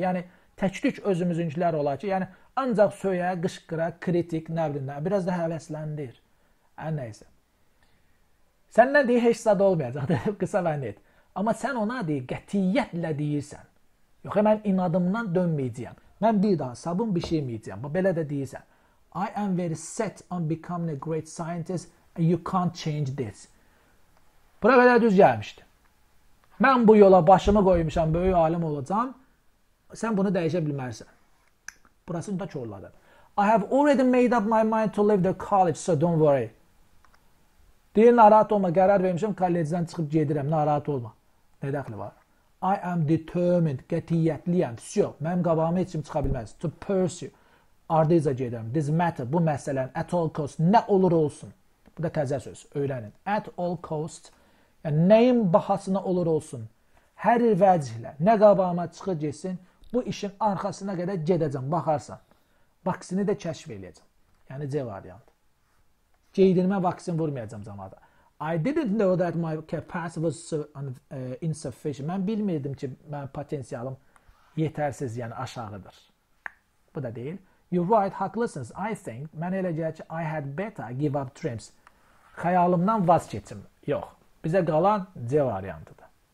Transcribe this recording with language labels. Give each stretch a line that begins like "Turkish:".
Azerbaijani: Yəni təkdük özümüzünkülər olacaq. Yəni ancaq söyəyə, qışqıra, kritik, nə bilim, biraz da həvəsləndir. Ən nəysə. Səndən deyir, heç zad olmayacaq, qısa və net. Amma sən ona deyir, qətiyyətlə deyirsən. Yox, mən inadımdan dönməyəcəyəm. Mən bir daha sabun bir şey yeməyəcəyəm. Belə də deyirsən.
English: I am very set on becoming a great scientist and you can't change this.
Azerbaijani: Bura qədər düz gəlmişdi. Mən bu yola başımı qoymuşam, böyük alim olacağım. Sən bunu dəyişə bilmərsən. Burası da çorladı.
English: I have already made up my mind to leave the college, so don't worry.
Azerbaijani: Deyin, narahat olma. Qərar vermişim, kollecdən çıxıb gedirəm. Narahat olma. Nə dəxli var?
English: I am determined,
Azerbaijani: qətiyyətliyəm. So, mənim qabağımı heç kim çıxa bilməz.
English: To pursue.
Azerbaijani: Ardıca gedirəm.
English: This matter,
Azerbaijani: bu məsələn,
English: at all cost,
Azerbaijani: nə olur olsun. Bu da təzə söz, öyrənin.
English: At all cost,
Azerbaijani: yəni nəyin bahasına olur olsun. Hər vəclə, nə qabağıma çıxı geçsin, bu işin arxasına qədər gedəcəm, baxarsan. Vaksini də kəşf eləyəcəm. Yəni C variant. Geydirmə vaksin vurmayacağım zamanda.
English: I didn't know that my capacity was insufficient.
Azerbaijani: Mən bilmirdim ki, mənim potensialım yetərsiz, yəni aşağıdır. Bu da deyil.
English: You're right,
Azerbaijani: haqlısınız.
English: I think,
Azerbaijani: mən elə gəlir ki,
English: I had better give up dreams.
Azerbaijani: Xəyalımdan vaz keçim. Yox. Bizə qalan C variantıdır.